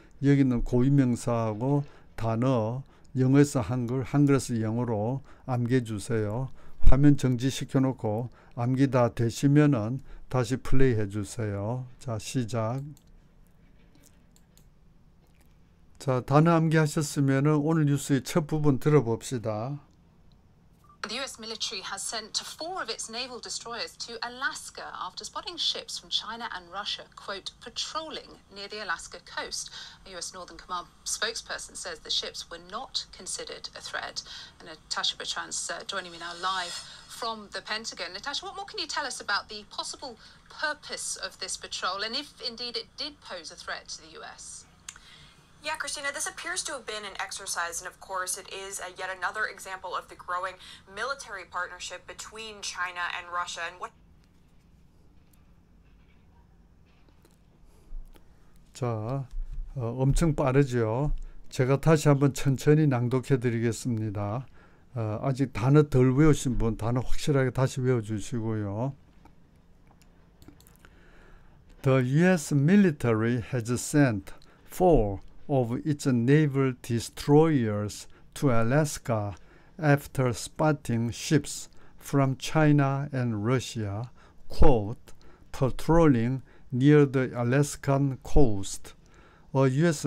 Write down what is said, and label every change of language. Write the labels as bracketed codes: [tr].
[ko] 여기는 고유명사하고 단어, 영어에서 한글, 한글에서 영어로 암기해 주세요. 화면 정지시켜 놓고 암기 다 되시면은 다시 플레이해 주세요. 자, 시작. 자, 단어 암기 하셨으면은 오늘 뉴스의 첫 부분 들어봅시다. [en] The US military has sent four of its naval destroyers to Alaska after spotting ships from China and Russia, quote, patrolling near the Alaska coast. A US Northern Command spokesperson says the ships were not considered a threat. And Natasha Bertrand's joining me now live from the Pentagon. Natasha, what more can you tell us about the possible purpose of this patrol and if indeed it did pose a threat to the US? Yeah, Christina, this appears to have been an exercise, and of course, it is a yet another example of the growing military partnership between China and Russia. And what [ko] 자, 엄청 빠르죠? 제가 다시 한번 천천히 낭독해 드리겠습니다. 아직 단어 덜 외우신 분, 단어 확실하게 다시 외워 주시고요. [en] The US military has sent four of its naval destroyers to Alaska after spotting ships from China and Russia, quote, patrolling near the Alaskan coast. A U.S.